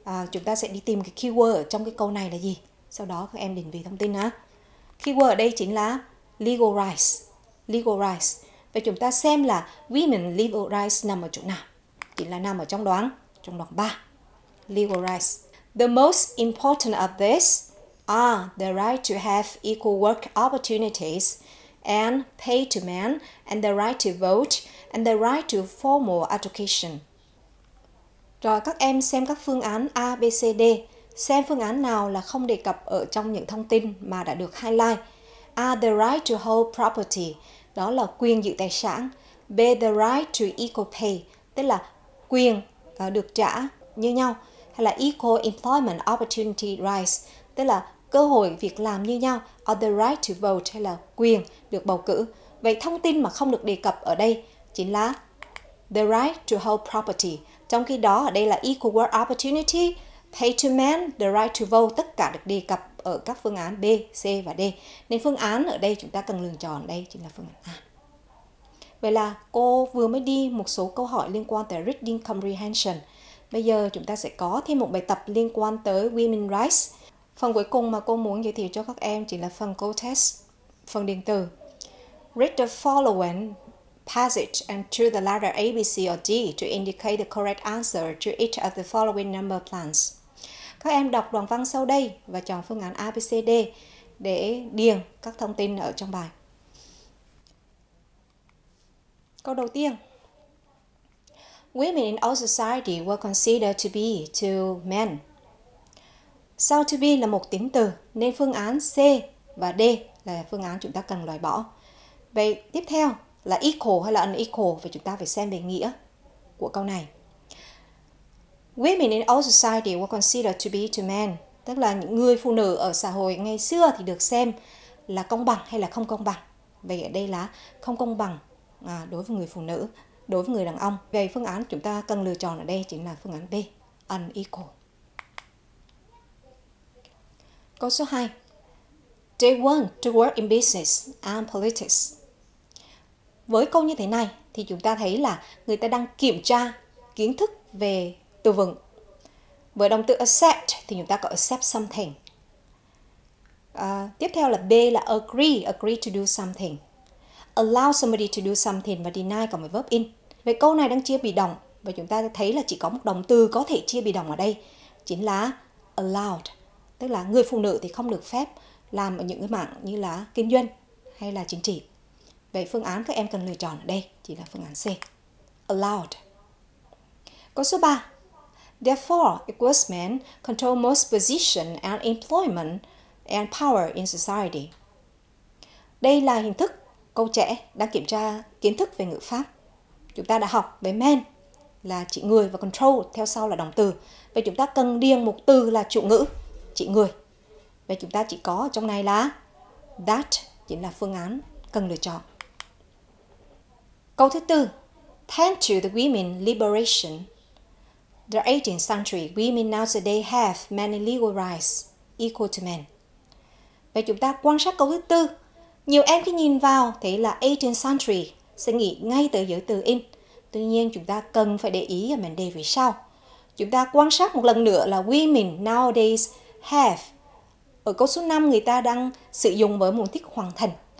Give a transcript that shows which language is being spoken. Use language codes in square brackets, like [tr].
[vi] Chúng ta sẽ đi tìm cái keyword ở trong cái câu này là gì. Sau đó các em định vị thông tin ha. Keyword ở đây chính là legal rights. Legal rights. Và chúng ta xem là women legal rights nằm ở chỗ nào. Chỉ là nằm ở trong đoạn, 3. Legal rights. [en] The most important of this are the right to have equal work opportunities and pay to men, and the right to vote, and the right to formal education. [vi] Rồi các em xem các phương án A, B, C, D. Xem phương án nào là không đề cập ở trong những thông tin mà đã được highlight. [en] A, the right to hold property, [vi] đó là quyền giữ tài sản. [en] B, the right to equal pay, [vi] tức là quyền được trả như nhau. Hay là [en] equal employment opportunity rights, [vi] tức là cơ hội việc làm như nhau. [en] Or the right to vote, [vi] hay là quyền được bầu cử. Vậy thông tin mà không được đề cập ở đây chính là [en] the right to hold property. [vi] Trong khi đó ở đây là [en] equal work opportunity, pay to men, the right to vote, [vi] tất cả được đề cập ở các phương án B, C và D. Nên phương án ở đây chúng ta cần lựa chọn đây chính là phương án A. Vậy là cô vừa mới đi một số câu hỏi liên quan tới reading comprehension. Bây giờ chúng ta sẽ có thêm một bài tập liên quan tới women rights. Phần cuối cùng mà cô muốn giới thiệu cho các em chính là phần câu test, phần điện tử. [en] Read the following passage and choose the letter A, B, C or D to indicate the correct answer to each of the following number plans. [vi] Các em đọc đoạn văn sau đây và chọn phương án A, B, C, D để điền các thông tin ở trong bài. Câu đầu tiên. [en] Women in our society were considered to be to men. [vi] Sau to be là một tính từ nên phương án C và D là phương án chúng ta cần loại bỏ. Vậy tiếp theo là equal hay là unequal, và chúng ta phải xem về nghĩa của câu này. [en] Women in our society were considered to be to men, [vi] tức là những người phụ nữ ở xã hội ngày xưa thì được xem là công bằng hay là không công bằng. Vậy ở đây là không công bằng đối với người phụ nữ, đối với người đàn ông. Vậy phương án chúng ta cần lựa chọn ở đây chính là phương án B, unequal. Câu số 2. [en] They want to work in business and politics. [vi] Với câu như thế này thì chúng ta thấy là người ta đang kiểm tra kiến thức về từ vựng. Với động từ accept thì chúng ta có accept something. Tiếp theo là B là [en] agree, agree to do something. Allow somebody to do something [vi] và [en] deny [vi] cộng với [en] verb in. [vi] Vậy câu này đang chia bị động và chúng ta thấy là chỉ có một động từ có thể chia bị động ở đây. Chính là allowed. Tức là người phụ nữ thì không được phép làm ở những cái mạng như là kinh doanh hay là chính trị. Vậy phương án các em cần lựa chọn ở đây chỉ là phương án C, allowed. Câu số 3. [en] Therefore, equal men control most position and employment and power in society. [vi] Đây là hình thức câu trẻ đang kiểm tra kiến thức về ngữ pháp. Chúng ta đã học về men là chỉ người và control theo sau là động từ. Vậy chúng ta cần điền một từ là chủ ngữ, chỉ người. Vậy chúng ta chỉ có trong này là that, chính là phương án cần lựa chọn. Câu thứ tư, [en] thanks to the women liberation, the 18th century women nowadays have many legal rights equal to men. [vi] Vậy chúng ta quan sát câu thứ tư, nhiều em khi nhìn vào thấy là 18th century sẽ nghĩ ngay tới giới từ in. Tuy nhiên chúng ta cần phải để ý ở mệnh đề vì sao. Chúng ta quan sát một lần nữa là [en] women nowadays have, [vi] ở câu số 5 người ta đang sử dụng với mục đích hoàn thành.